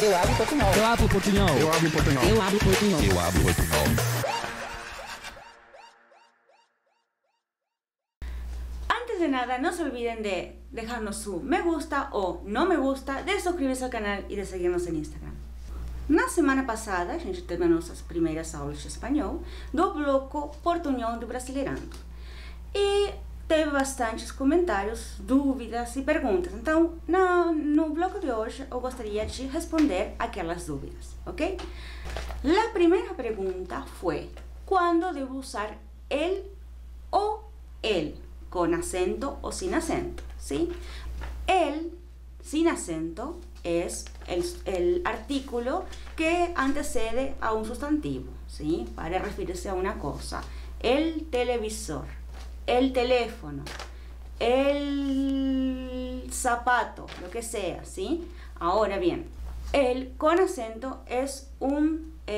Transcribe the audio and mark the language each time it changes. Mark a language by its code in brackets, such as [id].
[es] Eu hablo portuñol. Eu hablo portuñol. Eu hablo portuñol. Eu hablo portuñol. Eu hablo portuñol. Antes de nada, no se olviden de dejarnos su me gusta o no me gusta, de suscribirse al canal y de seguirnos en Instagram. [pt] Na semana passada, a gente teve as nossas primeiras aulas de espanhol do bloco Portuñol do Brasileirando. E teve bastantes comentários, dúvidas e perguntas. Então, no bloco de hoje, eu gostaria de responder aquelas dúvidas, ok? A primeira pergunta foi, quando devo usar el ou el, com acento ou sem acento, sim? El, sem acento, é [es] el artículo [pt] que antecede a um sustantivo, [es] ¿sí? [pt] Para referirse a uma coisa. [es] El televisor, el teléfono, el zapato, lo que sea, ¿sí? Ahora bien, el con acento es un...